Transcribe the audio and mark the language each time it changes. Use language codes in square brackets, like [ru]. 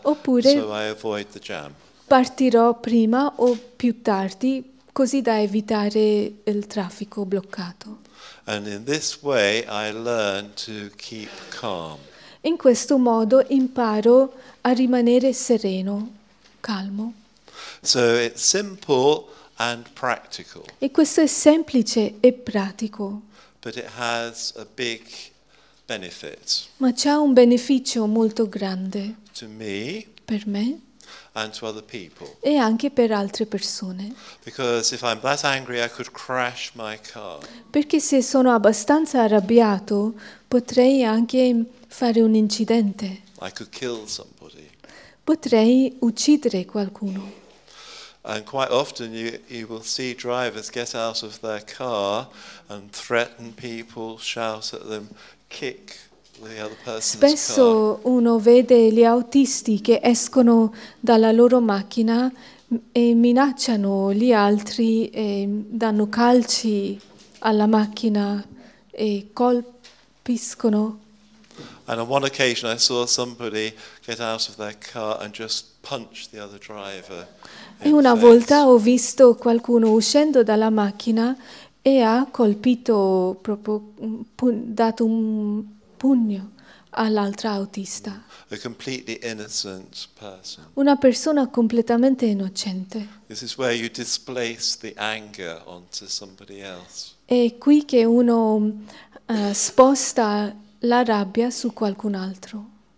[it] Oppure [en] so I avoid the jam. [it] Partirò prima o più tardi, così da evitare il traffico bloccato. [en] And in this way I learn to keep calm. [it] In questo modo imparo a rimanere sereno, calmo. [en] So it's simple and practical. [it] E questo è semplice e pratico. [en] But it has a big benefit. [it] Ma c'è un beneficio molto grande. [en] To me. [it] Per me. [en] And to other people. [it] E anche per altre persone. [en] Because if I'm that angry, I could crash my car. [it] Perché se sono abbastanza arrabbiato, potrei anche fare un incidente. [en] I could kill somebody. [it] Potrei uccidere qualcuno. [en] And quite often you will see drivers get out of their car and threaten people, shout at them, kick the other person's car. [it] Spesso uno vede gli autisti che escono dalla loro macchina e minacciano gli altri e danno calci alla macchina e colpiscono. [en] And on one occasion I saw somebody get out of their car and just punch the other driver. [it] E una volta ho visto qualcuno uscendo dalla macchina e ha colpito, proprio dato un pugno all'altra autista. [en] A completely innocent person. [it] Una persona completamente innocente. [en] This is where you displace the anger onto somebody else. [it] È qui che uno sposta la rabbia su qualcun altro.